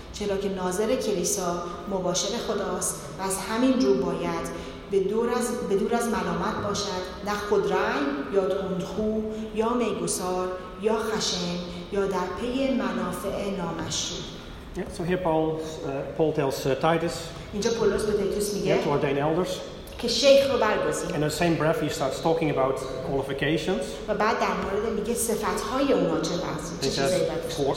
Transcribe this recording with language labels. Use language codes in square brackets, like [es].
[fa] چرا که ناظر کلیسا مباشر خداست و از همین رو باید به دور از ملامت باشد، نه خودرنگ یا تندخو یا میگسار یا خشن یا در پی منافع نامشروع. [en] Yeah, so here Paul tells Titus. [fa] اینجا پولس به تیتوس میگه. [en] Yeah, to ordain elders. [fa] که شیخ رو برگزین. [en] In the same breath he starts talking about qualifications. [fa] و بعد در مورد میگه صفات‌های اونا چه بحثی چه چیزایی بود.